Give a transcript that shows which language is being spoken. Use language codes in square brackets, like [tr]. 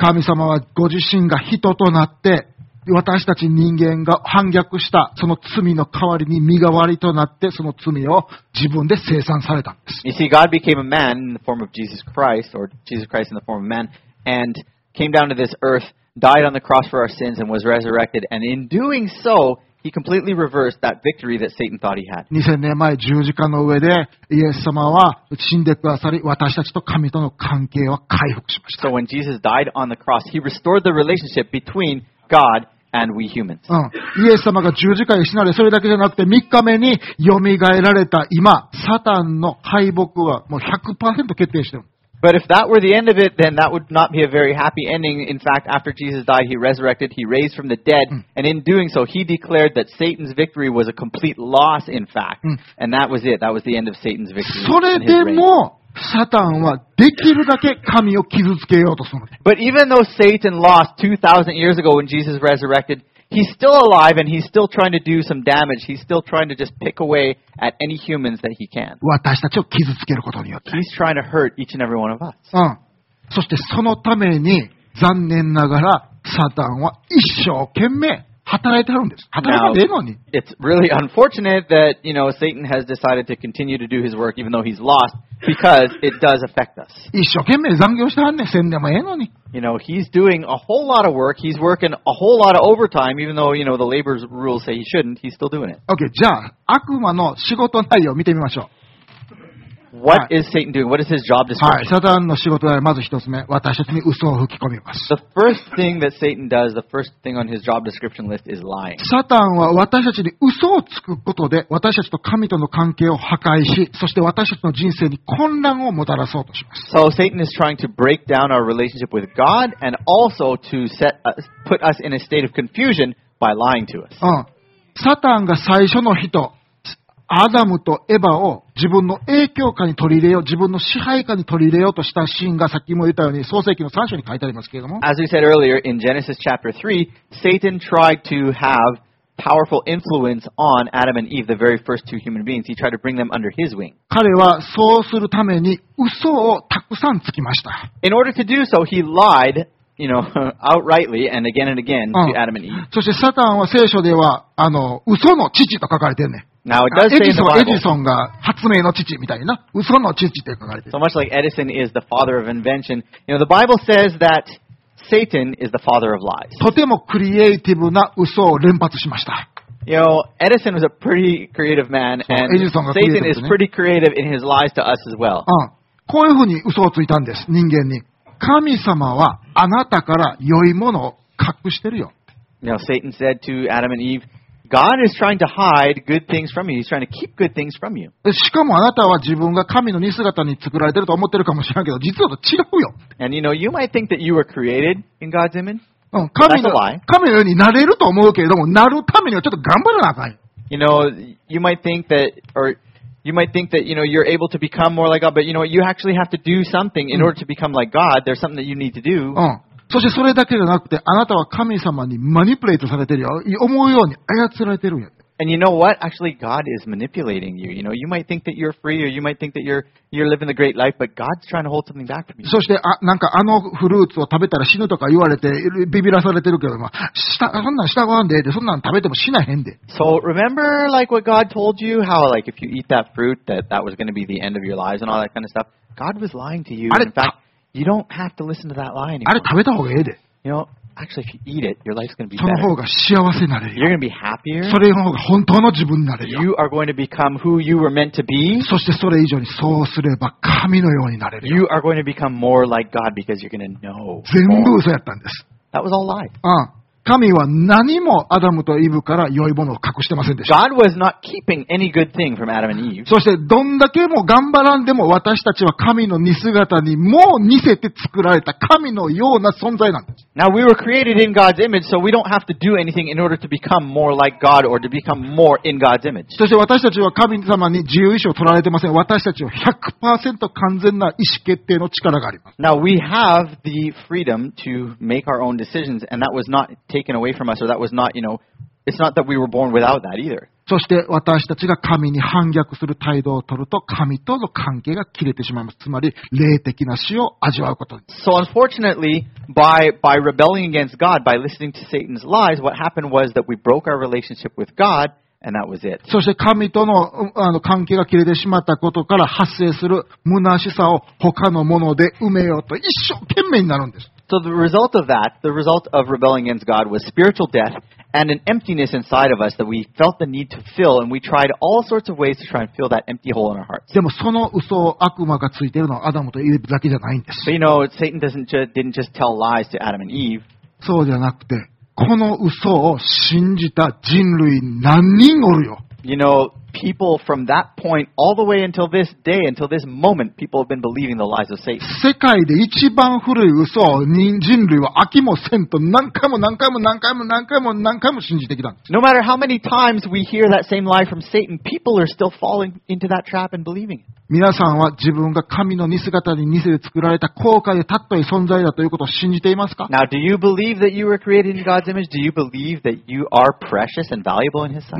[ja] 神様はご自身が人となって私たち人間が反逆したその罪の代わりに身代わりとなってその罪を自分で清算されたんです。 [en] You see, God became a man in the form of Jesus Christ, or Jesus Christ in the form of man, and came down to this earth, died on the cross for our sins, and was resurrected. And in doing so,He completely reversed that victory that Satan thought he had. [ja] 2000年前十字架の上でイエス様は死んでくださり私たちと神との関係は回復しました。 [en] So when Jesus died on the cross, he restored the relationship between God and we humans. [ja] イエス様が十字架に死なれそれだけじゃなくて3日目に蘇られた今サタンの敗北はもう 100% 決定してる。 [en] But if that were the end of it, then that would not be a very happy ending. In fact, after Jesus died, he resurrected, he raised from the dead, and in doing so, he declared that Satan's victory was a complete loss, in fact. And that was it. That was the end of Satan's victory. [ja] それでも、サタンはできるだけ神を傷つけようとする。 [en] But even though Satan lost 2,000 years ago when Jesus resurrected,He's still alive and he's still trying to do some damage. He's still trying to just pick away at any humans that he can. [ja] 私たちを傷つけることによって。 [en] He's trying to hurt each and every one of us. [ja] そしてそのために残念ながらサタンは一生懸命働いてあるんです。働いてるのに。 [en] Now, it's really unfortunate that, you know, Satan has decided to continue to do his work even though he's lost because it does affect us. [ja] 一生懸命残業してはんねん、せんでもええのに。 [en] You know, he's doing a whole lot of work. He's working a whole lot of overtime even though, you know, the labor rules say he shouldn't. He's still doing it. [ja] Okay, じゃあ、悪魔の仕事内容を見てみましょう。 [en] What is Satan doing? What is his job description? [ja] はい、サタンの仕事であるまず一つ目、私たちに嘘を吹き込みます。 [en] The first thing that Satan does, the first thing on his job description list is lying. [ja] サタンは私たちに嘘をつくことで、私たちと神との関係を破壊し、そして私たちの人生に混乱をもたらそうとします。 [en] So Satan is trying to break down our relationship with God and also to set us, put us in a state of confusion by lying to us. [ja] うん。サタンが最初の人、アダムとエバを自分の影響下に取り入れよう、自分の支配下に取り入れようとしたシーンが、さっきも言ったように創世記の3章に書いてありますけれども。 [en] As we said earlier, in Genesis chapter 3, Satan tried to have powerful influence on Adam and Eve, the very first two human beings. He tried to bring them under his wing. [ja] 彼はそうするために嘘をたくさんつきました。 [en] In order to do so, he lied, you know, outrightly and again and again to Adam and Eve. [ja] そしてサタンは聖書では、嘘の父と書かれてるね。 [en] Now it does say in the Bible. [ja] エジソンが発明の父みたいな、嘘の父って書かれてる。 [en] So much like Edison is the father of invention, you know, the Bible says that Satan is the father of lies. [ja] とてもクリエイティブな嘘を連発しました。 [en] You know, Edison was a pretty creative man, and Satan is pretty creative in his lies to us as well. [ja] こういうふうに嘘をついたんです、人間に。神様はあなたから良いものを隠してるよ。 [en] You know, Satan said to Adam and Eve,God is trying to hide good things from you. He's trying to keep good things from you. [ja] しかもあなたは自分が神の似姿に作られてると思ってるかもしれないけど、実は違うよ。 [en] And you know, you might think that you were created in God's image. That's a lie. [ja] 神のようになれると思うけれども、なるためにはちょっと頑張らなあかん。 [en] You know, you might think that, or you might think that, you know, you're able to become more like God, but you know what? You actually have to do something in order to become like God. There's something that you need to do. [ja] そしてそれだけじゃなくて、あなたは神様にマニピュレートされてるよ。思うように操られてるよ。 [en] And you know what? Actually, God is manipulating you. You know, you might think that you're free, or you might think that you're living the great life, but God's trying to hold something back from you. [ja] そして、なんかあのフルーツを食べたら死ぬとか言われて、ビビらされてるけど、そんなん従わんでええで、そんなん食べても死なへんで。 [en] So remember, like, what God told you, how, like, if you eat that fruit, that was going to be the end of your lives and all that kind of stuff? God was lying to you. In fact,You don't have to listen to that lie anymore. [ja] あれ食べた方がええで。 [en] You know, actually, if you eat it, your life's going to be better. [ja] その方が幸せになれるよ。 [en] You're going to be happier. [ja] それの方が本当の自分になれるよ。 [en] You are going to become who you were meant to be. [ja] そしてそれ以上にそうすれば神のようになれるよ。 [en] You are going to become more like God because you're going to know. [ja] 全部嘘やったんです。 [en] That was all lies. [ja] 神は何もアダムとイブから良いものを隠してませんでした。 [en] God was not keeping any good thing from Adam and Eve. [ja] そしてどんだけも頑張らんでも私たちは神の似姿にもう似せて作られた神のような存在なんです。 [en] Now we were created in God's image, so we don't have to do anything in order to become more like God or to become more in God's image. [ja] そして私たちは神様に自由意志を取られてません。私たちは 100% 完全な意思決定の力があります。 [en] Now we have the freedom to make our own decisions, and that was notTaken away from us, or that was not, you know, it's not that we were born without that either. [ja] そして私たちが神に反逆する態度を取ると神との関係が切れてしまいます。つまり霊的な死を味わうこと。 [en] So unfortunately, by rebelling against God, by listening to Satan's lies, what happened was that we broke our relationship with God, and that was it. [ja] そして神との関係が切れてしまったことから発生する虚しさを他のもので埋めようと一生懸命になるんです。 [en] So the result of that, the result of rebelling against God was spiritual death and an emptiness inside of us that we felt the need to fill and we tried all sorts of ways to try and fill that empty hole in our hearts. [ja] でもその嘘を悪魔がついているのはアダムとイブだけじゃないんです。 [en] But you know, Satan didn't just tell lies to Adam and Eve. [ja] そうじゃなくて、この嘘を信じた人類何人おるよ。 [en] You know, people from that point all the way until this day, until this moment, people have been believing the lies of Satan. [ja] 世界で一番古い嘘を人類は飽きもせんと何回も何回も何回も何回も何回も信じてきたんです。 [en] No matter how many times we hear that same lie from Satan, people are still falling into that trap and believing it. [ja] 皆さんは自分が神の似姿に似せて作られた高価でたっとい存在だということを信じていますか? [en] Now, do you believe that you were created in God's image? Do you believe that you are precious and valuable in His sight?